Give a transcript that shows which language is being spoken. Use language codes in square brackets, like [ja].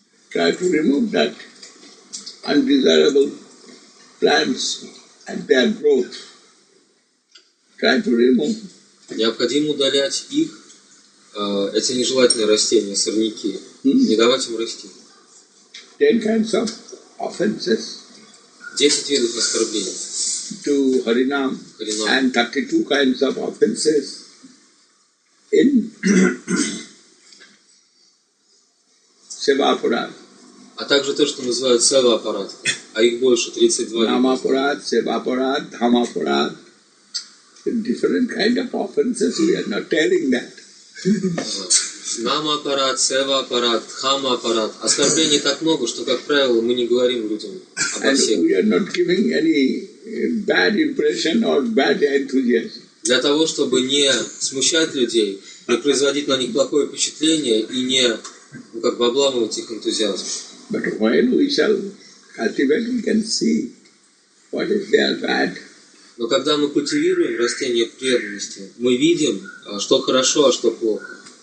[en] Try to remove that undesirable plants and their growth. Try to remove. [ru] Необходимо удалять их, эти нежелательные растения, сорняки, не давать им расти. [en] 10 kinds of offenses. [ru] 10 видов оскорблений. [en] To Harinam. [ru] Харинам. [en] And 32 kinds of offenses in Seva Aparad. [ru] А также то, что называют Seva Aparad, а их больше 32. Нама Апарад, Seva Апарад, Дхама Апарад. [en] different kind of offenses, we are not telling that. [ru] Нама-аппарат, сева-аппарат, хама-аппарат. Оскорблений так много, что, как правило, мы не говорим людям обо всех. [en] We are not giving any bad impression or bad enthusiasm. [ru] Для того, чтобы не смущать людей, не производить на них плохое впечатление и не, ну, как бы обламывать их энтузиазм. [en] But when we shall cultivate, we can see what if they are bad. [ru] Но когда мы культивируем растения преданности, мы видим, что хорошо, а что плохо.